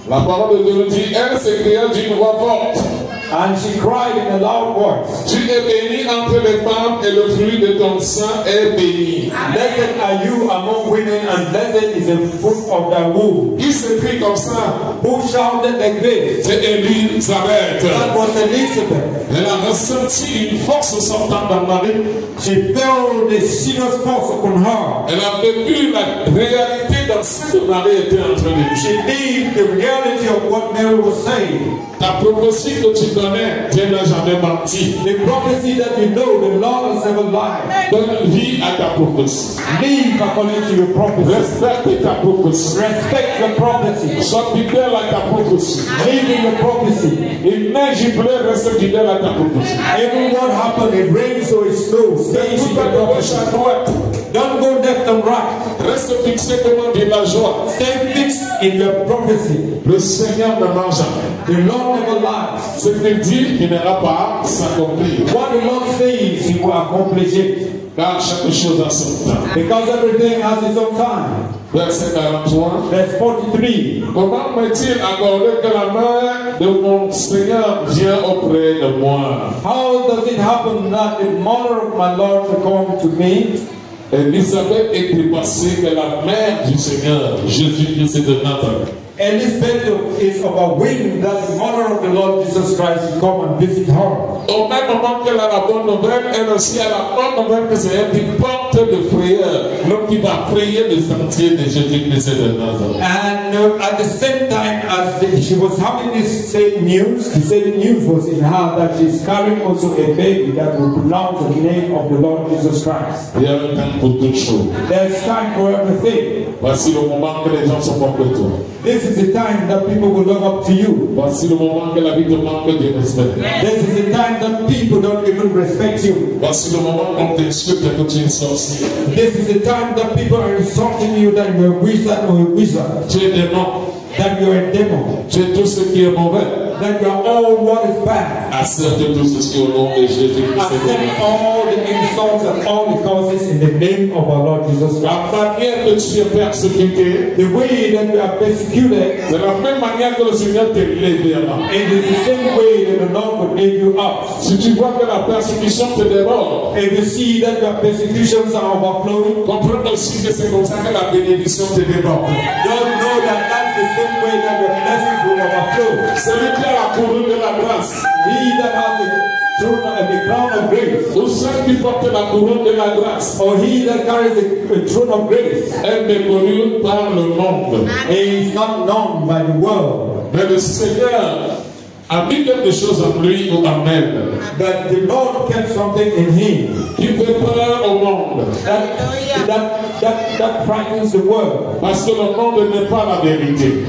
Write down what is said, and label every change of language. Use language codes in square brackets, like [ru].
[fr] la parole de Dieu dit, elle s'écria d'une voix forte. [en] And she cried in a loud voice. [fr] Tu es bénie entre les femmes et le fruit de ton sein est béni. [en] Blessed are you among women and blessed is the fruit of thy womb. [fr] Qui s'écrit comme ça? [en] Who shouted like this? [fr] C'est Elisabeth. [en] That was Elisabeth. [fr] Elle a ressenti une force sortant dans Marie. [en] She felt a serious force upon her. [fr] Elle a vécu la réalité dans ce que Marie était en train de dire. [en] She lived the reality of what Mary was saying. [fr] Ta prophétie que tu connais, Dieu n'a jamais menti. [en] The prophecy that you know, the Lord has never lied. [fr] Donne vie à ta prophétie. [en] Live according to your prophecy. [fr] Respecte ta prophétie. [en] Respect your prophecy. [fr] Sois fidèle à ta prophétie. [en] Live in your prophecy. [fr] Imagine prayer, reste fidèle à ta prophétie. [en] Even what happens, it rains or it snows. Stay in your prophecy. Don't go left and right. [fr] Reste fixé comment de la joie. [en] Stay fixed in your prophecy. [fr] Le Seigneur ne ment jamais. [en] The Lord never lies. [fr] Ce qu'il dit, il n'ira pas s'accomplir. [en] What the Lord says, he will accomplish it. [fr] Car chaque chose a son temps. [en] Because everything has its own time. [fr] Verset 43. [en] Verse 43. [fr] Comment m'est-il accordé que la main de mon Seigneur vient auprès de moi? [en] How does it happen that the mother of my Lord will come to me? [fr] Elisabeth était passée que la mère du Seigneur, Jésus-Christ de Nazareth. [en] Elisabeth is of a wind that the mother of the Lord Jesus Christ will come and visit her. [fr] Au même moment qu'elle a la bonne nouvelle, elle aussi a la bonne nouvelle que c'est elle qui porte le frayeur, l'homme qui va frayer le sentier de Jésus-Christ de Nazareth. [en] And at the same time as she was having this same news was in her that she's carrying also a baby that will pronounce the name of the Lord Jesus Christ. There's time for everything. [fr] Voici le moment que les gens sont comme toi. [en] This is the time that people will look up to you. [fr] Voici le moment que la vie te manque de respect. [en] This is the time that people don't even respect you. [fr] Voici le moment qu'on t'insulte que tu es sorcier. [en] This is the time that people are insulting you that you're a wizard or a wizard. [fr] Tu es démon. [en] That you're a demon. [fr] Tu es tout ce qui est mauvais. [en] That you're all what is bad. [fr] Accepte tout ce qui est au nom de Jésus-Christ. [en] Accepte all the insults and all the causes in the name of our Lord Jesus Christ. [fr] La manière que tu es persécuté, [en] the way that you are persecuted, [fr] c'est la même manière que le Seigneur te libère. [en] It is the same way that the Lord will give you up. [fr] Si tu vois que la persécution te dévore, [en] if you see that your persecutions are overflowing, [fr] comprends aussi que c'est comme ça que la bénédiction te dévore. [en] Don't know that that's the same way that your blessings will overflow. [fr] Celui qui a la couronne de la grâce, [en] he that has the crown of grace, [fr] ou celui qui porte la couronne de la grâce, [en] or he that carries the throne of grace, [fr] est méconnu par le monde. [en] He is not known by the world. [fr] Mais le Seigneur a mis quelque chose en lui ou en elle. [en] That the Lord kept something in him. [fr] Qui fait peur au monde. [en] That frightens the world. [fr] Parce que le monde n'est pas la vérité.